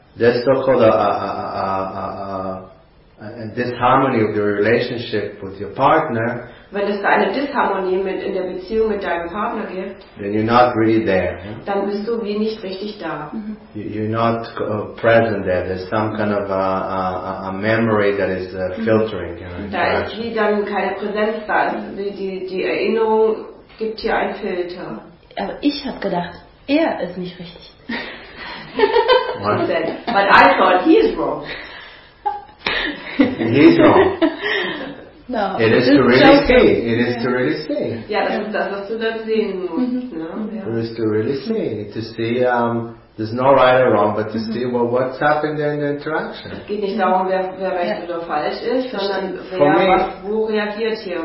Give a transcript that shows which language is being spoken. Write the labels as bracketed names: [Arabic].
[English] Let's talk about a disharmony of your relationship with your partner. [German] Wenn es da eine Disharmonie mit in der Beziehung mit deinem Partner gibt, [English] then you're not really there. Yeah? [German] Dann bist du wie nicht richtig da. Mm-hmm. [English] You're not present there. There's some kind of a memory that is filtering. Mm-hmm. You know, [German] da ist wie dann keine Präsenz da. Die Erinnerung gibt hier einen Filter. Aber ich habe gedacht, er ist nicht richtig. [English] What? But I thought he is wrong. He is wrong. No. It is to really see. It is to really see. Yeah, that's what you're seeing. Mm-hmm. No? Yeah. It is to really see. To see, there's no right or wrong, but to mm-hmm. see what's happened in the interaction. [German] Es geht nicht darum, wer recht oder falsch ist, sondern wo reagiert.